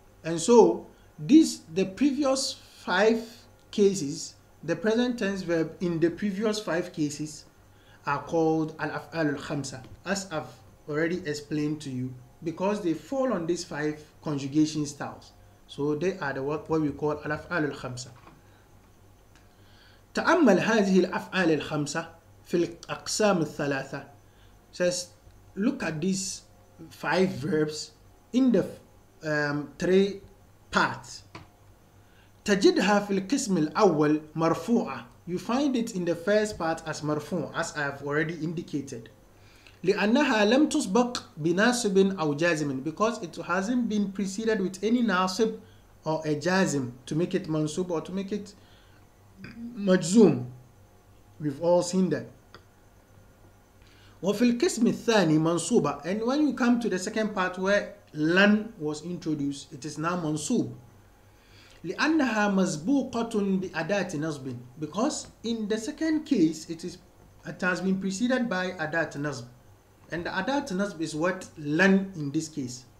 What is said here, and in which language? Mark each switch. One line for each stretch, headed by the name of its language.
English: And so, the previous five cases, the present tense verb in the previous five cases, are called al-af'al al-khamsa, as I've already explained to you, because they fall on these five conjugation styles. So they are the what we call al-af'al al-khamsa.
Arabic: تأمل هذه الأفعال الخمسة في الأقسام الثلاثة.
English: Says, look at these five verbs in the three parts.
Arabic: تجدها في القسم الأول مرفوعة.
English: You find it in the first part as مرفوع, as I have already indicated.
Arabic: لأنها لم تسبق بناصب أو جازم,
English: because it hasn't been preceded with any ناصب or a جازم to make it منصوب or to make it مجزوم. We've all seen that.
Arabic: وفي القسم الثاني منصوبة.
English: And when you come to the second part where لن was introduced, it is now منصوب.
Arabic: لأنها مسبوقة بأداة نصب,
English: because in the second case it has been preceded by أداة نصب, and the أداة نصب is what لن in this case.